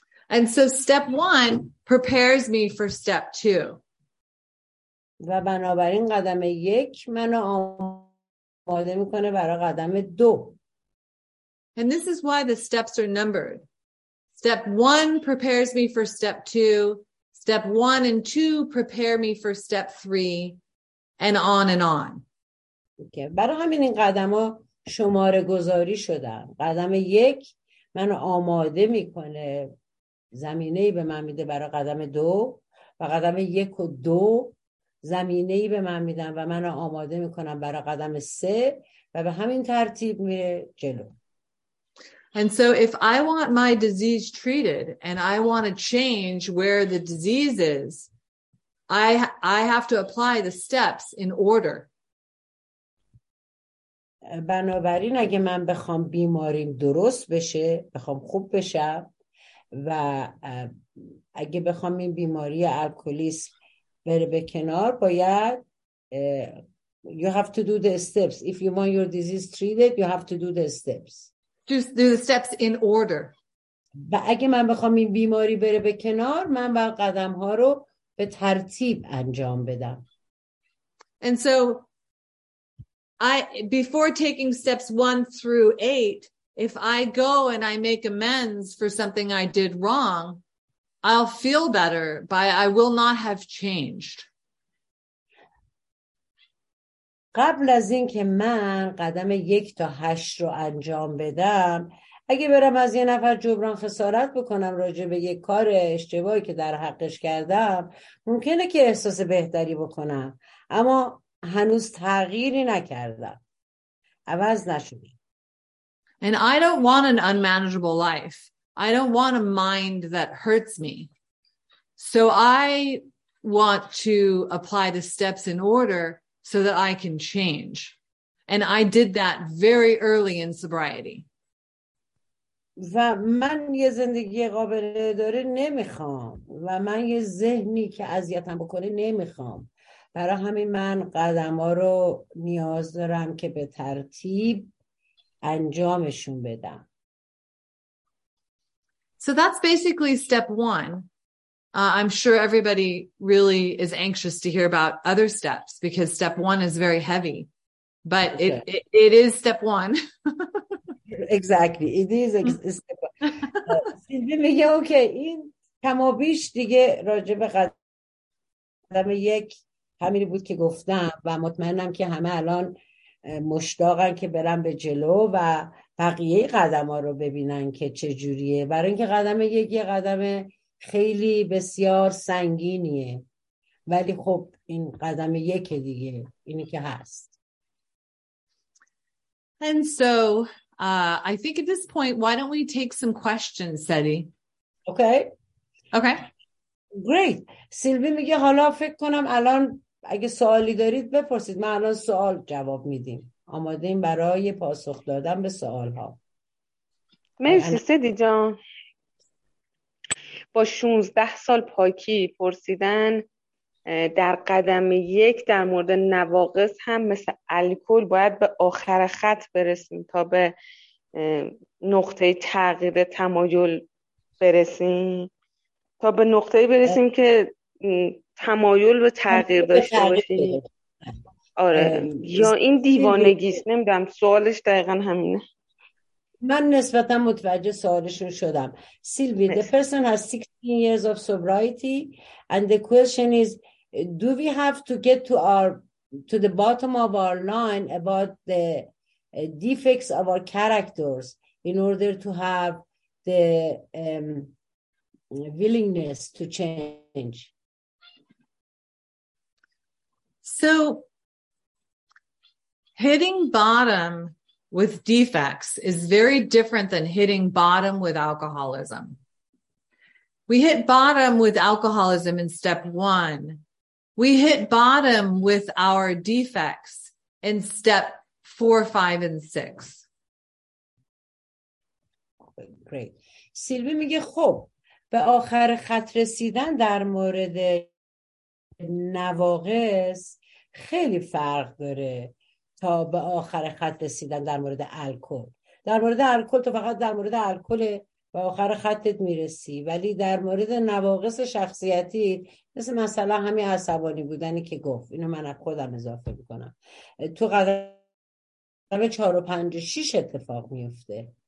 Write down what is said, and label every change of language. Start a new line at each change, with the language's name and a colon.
English: And so step one prepares me for step two.
Persian: و بنابراین قدم یک منو آماده میکنه برای قدم دو.
English: And this is why the steps are numbered. Step one prepares me for step two. Step one and two prepare me for step three, and on and on. Okay.
Persian: برای همین این قدم ها شماره گذاری شدن. قدم یک منو آماده میکنه، زمینه ای به من میده برای قدم دو، و قدم یک و دو زمینه ای به من میدن و منو آماده میکنن برای قدم سه، و به همین ترتیب میره جلو.
English: And so if I want my disease treated and I want to change where the disease is, I have to apply the steps in order.
Persian: بنابراین اگه من بخوام بیماریم درست بشه، بخوام خوب بشم و اگه بخوام این بیماری الکلیسم بره به کنار، باید
English: you have to do the steps. If you want your disease treated, you have to do the steps. Do the steps in order.
Persian: و اگه من بخوام این بیماری بره به کنار، من باید قدم ها رو به ترتیب انجام بدم.
English: And so I before taking steps 1 through 8, if I go and I make amends for something I did wrong, I'll feel better, but I will not have changed.
Persian: قبل از این که من قدم یک تا هشت رو انجام بدم، اگه برم از یه نفر جبران خسارت بکنم راجع به یه کار اشتباهی که در حقش کردم، ممکنه که احساس بهتری بکنم، اما هنوز تغییری نکردم، عوض نشده.
English: And I don't want an unmanageable life. I don't want a mind that hurts me. So I want to apply the steps in order so that I can change. And I did that very early in sobriety.
Persian: و من یه زندگی قابل اداره نمیخوام و من یه ذهنی که اذیتم بکنه نمیخوام. برای همین من قدم ها رو نیاز دارم که به ترتیب انجامشون بدم.
English: So that's basically step one. I'm sure everybody really is anxious to hear about other steps because step one is very heavy. But it is step one. Exactly. It is step one.
Persian: سیلوی میگه اوکی این کمابیش دیگه راجع به قدم یک همینی بود که گفتم و مطمئنم که همه الان مشتاقن که برن به جلو و بقیه قدم ها رو ببینن که چه جوریه. برای اینکه قدم یک یه قدم خیلی بسیار سنگینیه، ولی خب این قدم یک دیگه اینی که هست.
English: And so I think at this point, why don't we take some questions, Sedi? Okay. Great.
Persian: Silvi میگه حالا فکر کنم الان اگه سوالی دارید بپرسید، ما الان سوال جواب میدیم. آماده ایم برای پاسخ دادن به سوال ها. مرسی سدی جان. با 16 سال پاکی پرسیدن در قدم یک در مورد نواقص هم مثل الکل باید به آخر خط برسیم تا به نقطه تغییر تمایل برسیم، تا به نقطه برسیم که تمایل به تغییر داشته باشیم. آره. یا این دیوانگیست، نمیدونم سوالش دقیقا همینه. من نسبتا متوجه سوالشون شدم.
English: سیلوی، the person has 16 years of sobriety and the question is do we have to get to the bottom of our line about the defects of our characters in order to have the willingness to change? So hitting bottom with defects is very different than hitting bottom with alcoholism. We hit bottom with alcoholism in step one. We hit bottom with our defects in step 4, 5, and 6. Great.
Persian: سیلوی میگه خب به آخر خط رسیدن در مورد نواقص خیلی فرق داره تا به آخر خط رسیدن در مورد الکل. در مورد الکل تو فقط در مورد الکل به آخر خطت میرسی، ولی در مورد نواقص شخصیتی مثل مثلا همین عصبانی بودنی که گفت، اینو من خودم اضافه میکنم، تو قدم 4, 5, 6 اتفاق میفته.